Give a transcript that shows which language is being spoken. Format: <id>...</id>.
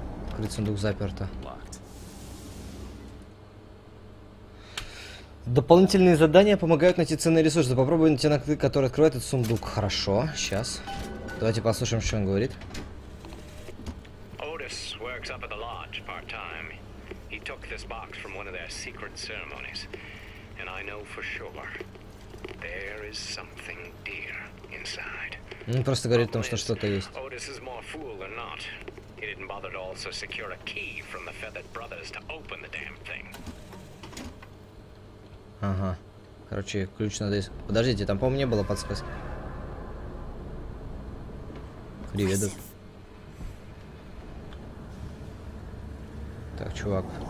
<ru>Открыть сундук заперто. Дополнительные задания помогают найти ценные ресурсы. Попробуй найти на ключ, который открывает этот сундук. Хорошо, сейчас. Давайте послушаем, что он говорит.</ru> <en>Otis works up at the lodge part-time. He took this box from one of their secret ceremonies. And I know for sure there is something dear inside.</en> <ru>Он просто говорит о том, что что-то есть.</ru> <en>Otis is more fool than not. He didn't bother to also secure a key from the Feathered Brothers to open the damn thing.</en> <ru>Ага. Короче, ключ надо из... Подождите, там, по-моему, не было подсказки. Привет. Так, чувак.</ru>